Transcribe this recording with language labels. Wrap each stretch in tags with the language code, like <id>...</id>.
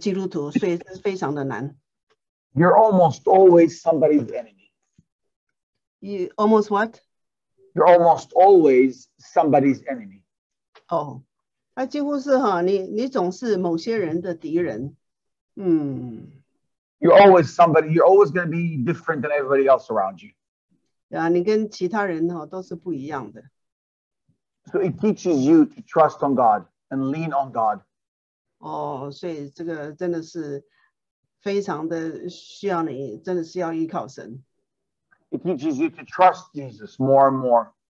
<zh>少数的少数的少数，因为他不只是基督徒，他还是个圣灵充满的、讲方言的这个医治的一个基督徒，所以是非常的难。You're</zh> <en>almost always somebody's enemy. You almost what? You're almost always somebody's enemy.</en> <zh>哦，那几乎是哈，你总是某些人的敌人，嗯。</zh> <en>You're always somebody, you're always going to be different than everybody else around you.</en> <zh>Yeah, 你跟其他人都是不一样的。</zh> <en>So it teaches you to trust on God and lean on God.</en> <zh>哦，所以这个真的是非常的需要你，真的是要依靠神。</zh> <en>It teaches you to trust Jesus more and more.</en>